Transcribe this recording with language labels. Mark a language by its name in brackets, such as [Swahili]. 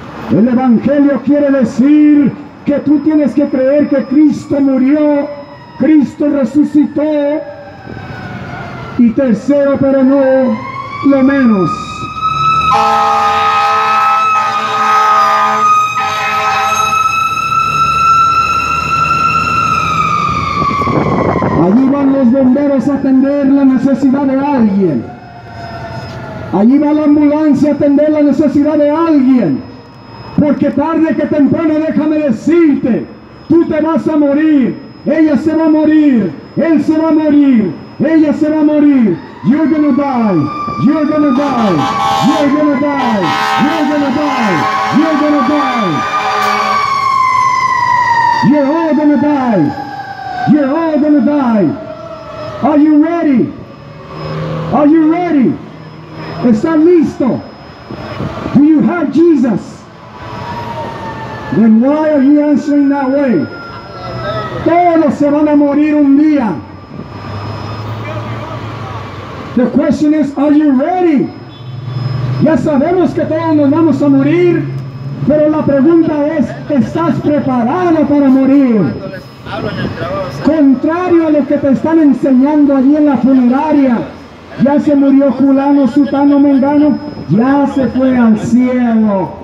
[Spanish] El Evangelio quiere decir que tú tienes que creer que Cristo murió, Cristo resucitó, y tercero, pero no lo menos, allí van los bomberos a atender la necesidad de alguien. Allí va la ambulancia a atender la necesidad de alguien. Porque tarde que temprano, déjame decirte, tú te vas a morir, ella se va a morir, él se va a morir, ella se va a morir. [English] You're gonna die, you're gonna die, you're gonna die, you're gonna die, you're gonna die. You're all gonna die, you're all gonna die. Are you ready? Are you ready? [Spanish] ¿Estás listo? [English] Do you have Jesus? Then why are you answering that way? [Spanish] Todos se van a morir un día. [English] The question is, are you ready? [Spanish] Ya sabemos que todos nos vamos a morir, pero la pregunta es, ¿estás preparado para morir? Contrario a lo que te están enseñando allí en la funeraria, ya se murió fulano, sutano, mengano, ya se fue al cielo.